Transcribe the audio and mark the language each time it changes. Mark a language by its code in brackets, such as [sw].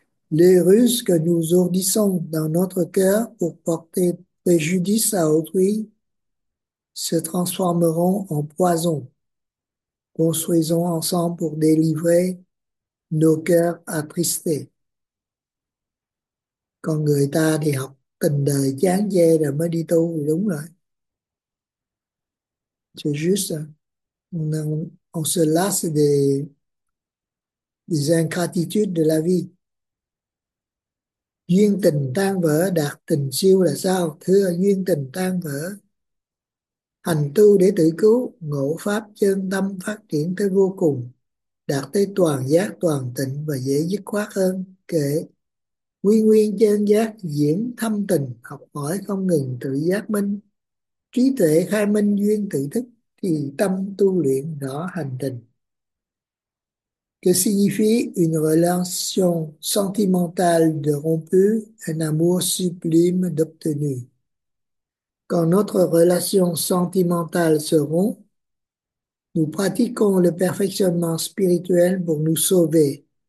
[fr] Les ruses que nous ourdissons dans notre cœur pour porter préjudice à autrui se transformeront en poison. Construisons ensemble pour délivrer nos cœurs attristés. [vi] Còn người ta thì học tình đời chán chê rồi mới đi tu, thì đúng rồi. [fr] C'est juste, on se lasse des ingratitudes de la vie. [vi] Duyên tình tan vỡ, đạt tình siêu là sao? Thưa, duyên tình tan vỡ, hành tu để tự cứu, ngộ pháp chân tâm phát triển tới vô cùng, đạt tới toàn giác toàn tịnh và dễ dứt khoát hơn. Kệ: nguyên nguyên chân giác diễn thâm tình, học hỏi không ngừng tự giác minh, trí tuệ khai minh duyên tự thức, thì tâm tu luyện rõ hành trình. [fr] Que signifie une relation sentimentale de rompu, un amour sublime d'obtenu? Quand notre relation sentimentale se rompt, nous pratiquons le perfectionnement spirituel pour nous sauver.